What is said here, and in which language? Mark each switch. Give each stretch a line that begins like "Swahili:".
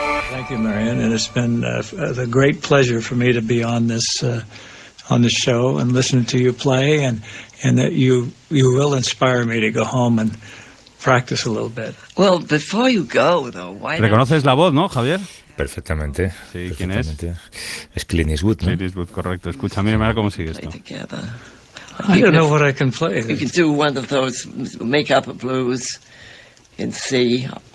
English: Thank you, Marianne, and it's been a great pleasure for me to be on this show and listening to you play, and that you will inspire me to go home and practice a little bit. Well, before you go, though, why?
Spanish: ¿Reconoces la voz, no, Javier? Perfectamente. Sí, perfectamente. ¿Quién es? Es Clint Eastwood, ¿no? Clint Eastwood, correcto. Escucha, mira, mira cómo sigue esto.
English: I don't know what I can play. You can do one of those make-up blues and see.